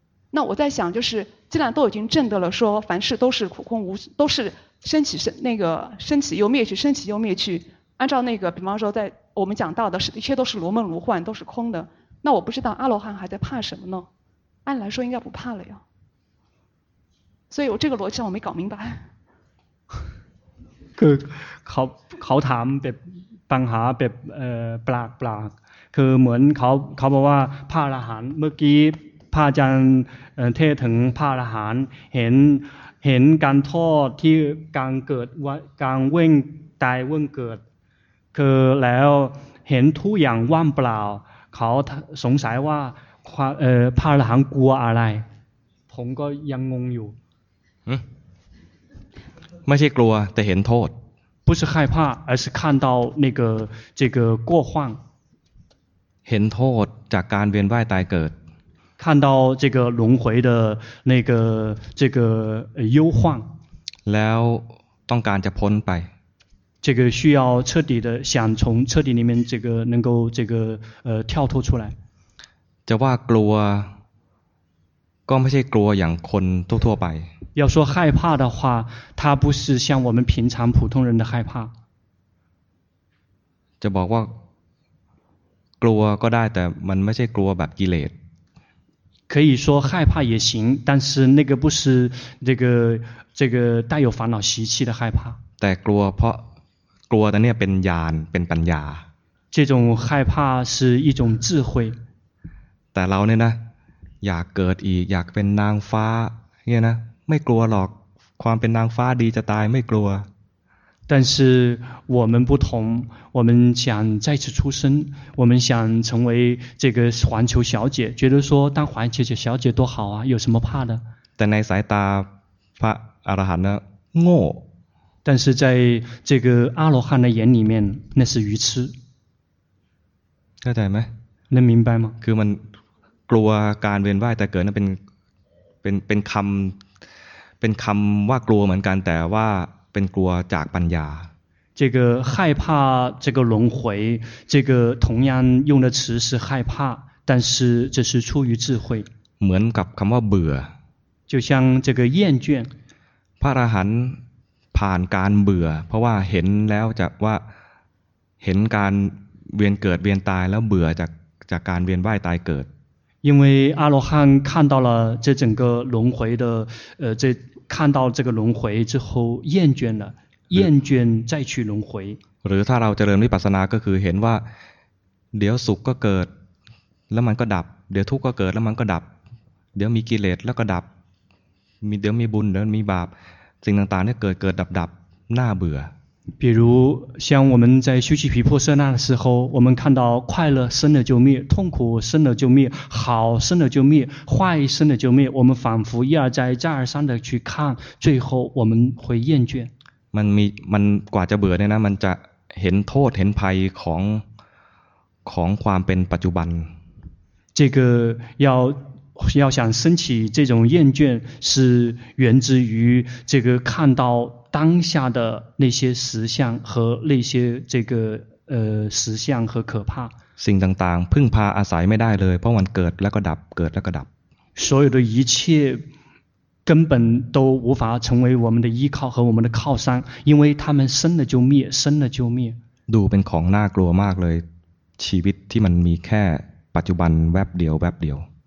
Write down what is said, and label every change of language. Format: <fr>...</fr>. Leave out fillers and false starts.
<zh>那我在想，就是既然都已经证得了，说凡事都是苦空无，都是生起生那个生起又灭去，生起又灭去。按照那个，比方说，在我们讲到的是，一切都是如梦如幻，都是空的。那我不知道阿罗汉还在怕什么呢？按来说应该不怕了呀。所以我这个逻辑我没搞明白。</zh> <th>คือเขาถามแบบปัญหาแบบปลากปลากคือเหมือนเขาบอกว่าพระอรหันต์เมื่อกี้พระอาจารย์เทศถึงพระอรหันต์เห็นการโทษที่การเกิดการเว่งตายเว่งเกิดคือแล้วเห็นทุกอย่างว่างเปล่าเขาสงสัยว่าพระอรหันต์กลัวอะไรผมก็ยังงงอยู่ไม่ใช่กลัวแต่เห็นโทษ</th> <zh>不是害怕而是看到那个这个过患</zh> <th>เห็นโทษจากการเวียนว่ายตายเกิด</th> <zh>看到这个轮回的那个这个忧患</zh> <th>แล้วต้องการจะพ้นไป</th> <zh>这个需要彻底的想从彻底里面这个能够这个跳脱出来</zh> <th>จะว่ากลัวก็ไม่ใช่กลัวอย่างคนทั่วไป</th> <zh>要说害怕的话它不是像我们平常普通人的害怕</zh> <th>จะบอกว่ากลัวก็ได้แต่มันไม่ใช่กลัวแบบกิเลส</th> <zh>可以说害怕也行，但是那个不是这个带有烦恼习气的害怕。</zh> <th>แต่กลัวเพราะกลัวแต่เนี่ยเป็นญาณเป็นปัญญา。</th> <zh>这种害怕是一种智慧。</zh> <th>แต่เราเนี่ยนะอยากเกิดอีกอยากเป็นนางฟ้าเนี่ยนะไม่กลัวหรอกความเป็นนางฟ้าดีจะตายไม่กลัว。</th> <zh>但是我们不同，我们想再次出生，我们想成为这个环球小姐，觉得说当环球小姐多好啊，有什么怕的？但</zh> <th>ในสายตาพระอรหันต์นะโง่</th> <zh>但是在这个阿罗汉的眼里面，那是愚痴。</zh> <th>เข้าใจไหม？</th> <zh>能明白吗？</zh> <th>คือมันกลัวการเวียนว่ายแต่เกิดนั้นเป็นคำว่ากลัวเหมือนกันแต่ว่าเป็นกลัวจากปัญญา</th> <zh>这个害怕这个轮回这个同样用的词是害怕但是这是出于智慧</zh> <th>เหมือนกับคำว่าเบื่อ</th> <zh>就像这个厌倦</zh> <th>พระอรหันต์ผ่านการเบื่อเพราะว่าเห็นแล้วจะว่าเห็นการเวียนเกิดเวียนตายแล้วเบื่อจากการเวียนว่ายตายเกิด</th> <zh>因为阿罗汉看到了这整个轮回的这看到这个轮回之后厌倦了厌倦再去轮回</zh> <th>หรือถ้าเราเจริญวิปัสสนาก็คือเห็นว่าเดี๋ยวสุขก็เกิดแล้วมันก็ดับเดี๋ยวทุกข์ก็เกิดแล้วมันก็ดับเดี๋ยวมีกิเลสแล้วก็ดับมีเดี๋ยวมีบุญเดี๋ยวมีบาปสิ่งต่างๆเนี่ยเกิดดับน่าเบื่อ</th> <zh>比如像我们在修习毗婆舍那的时候我们看到快乐生了就灭痛苦生了就灭好生了就灭坏生了就灭我们仿佛一而再再而三的去看最后我们会厌倦</zh> <th>มันกว่าจะเบื่อเนี่ยนะมันจะเห็นโทษเห็นภัยของความเป็นปัจจุบัน</th> <zh>这个要想升起这种厌倦是源自于这个看到当下的那些实相和那些这个实相和可怕</zh> <th>สิ่งต่างๆพึ่งพาอาศัยไม่ได้เลยเพราะมันเกิดแล้วก็ดับเกิดแล้วก็ดับ</th> <zh>所有的一切根本都无法成为我们的依靠和我们的靠山因为他们生了就灭生了就灭</zh> <th>ดูเป็นของน่ากลัวมากเลยชีวิตที่มันมีแค่ปัจจุบันแวบเดียวแวบเดียว</th>